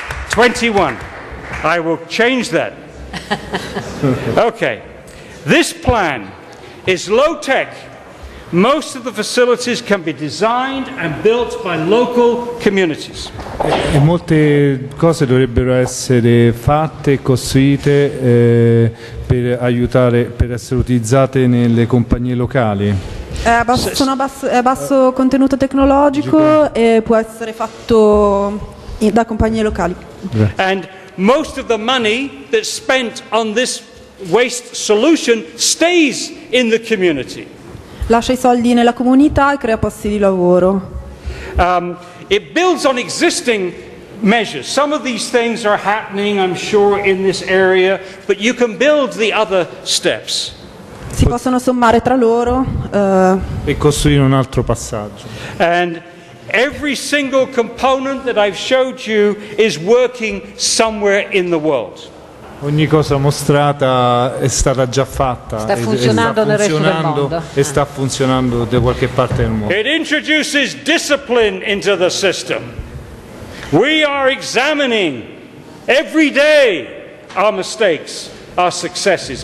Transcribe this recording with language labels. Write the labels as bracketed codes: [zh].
[en] 21. I will change that. Okay. This plan is low-tech. Most of the facilities can be designed and built by local communities. [it] E molte cose dovrebbero essere fatte e costruite per aiutare, per essere utilizzate nelle compagnie locali. Sono a basso contenuto tecnologico e può essere fatto da compagnie locali. [en] And most of the money that's spent on this waste solution stays in the community. [it] Lascia i soldi nella comunità e crea posti di lavoro. [en] It builds on existing measures. Some of these things are happening, I'm sure, in this area, but you can build the other steps. [it] Si possono sommare tra loro. E costruire un altro passaggio. [en] And every single component that I've showed you is working somewhere in the world. [it] Ogni cosa mostrata è stata già fatta, sta funzionando, e sta funzionando da qualche parte del mondo. [en] It introduces discipline into the system. We are examining every day our mistakes, our successes.